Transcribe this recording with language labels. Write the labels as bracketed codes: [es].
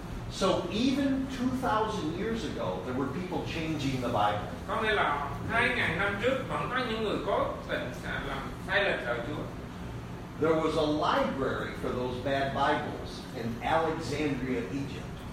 [en] So even 2,000 years ago, there were people changing the Bible. [vi] Có nghĩa là 2,000 năm trước vẫn có những người cố tình làm sai lệch lời Chúa. [en] There was a library for those bad Bibles in Alexandria, Egypt.